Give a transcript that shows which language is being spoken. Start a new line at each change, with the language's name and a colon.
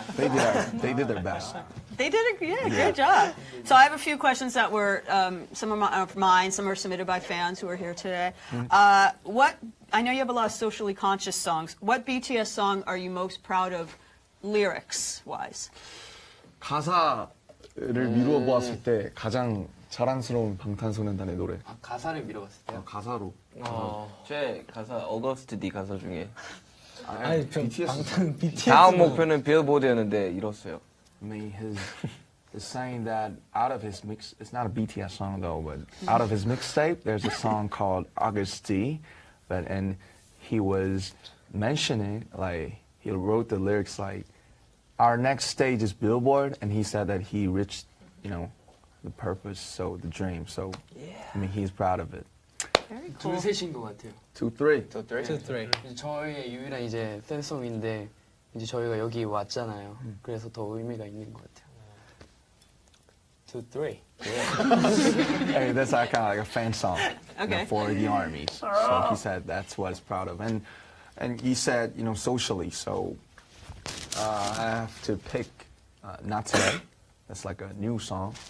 English: Yeah. They did their best. They did it. Yeah, good job. So I have a few questions that were some of mine. Some are submitted by fans who are here today. What I know you have a lot of socially conscious songs. What BTS song are you most proud of? Lyrics-wise.
Korean: 가사를 미루어 보았을 때 가장 자랑스러운 방탄소년단의 노래. 아, 가사를 미루어 봤을 때요? 아, 가사로. 제 가사, August D 가사 중에. 아니, 좀 BTS 방탄, BTS. 다음 목표는 빌보드였는데 이뤘어요.
English: I mean, he's saying that out of his mix, it's not a BTS song though, but out of his mixtape, there's a song called August D, but, and he was mentioning, like, he wrote the lyrics like, our next stage is Billboard, and he said that he reached, you know, the purpose, so the dream. So, yeah. I mean, he's proud of it. Very cool. Two, three. Two, three. Two, three.
Korean: 저희의 유일한 이제 팬송인데 이제 저희가 여기 왔잖아요. 그래서 더 의미가 있는 것 같아요.
English: Two, three. Hey, that's like kind of like a fan song, okay. You know, for the army. So he said that's what he's proud of, and he said, you know, socially. So I have to pick not today. That's like a new song.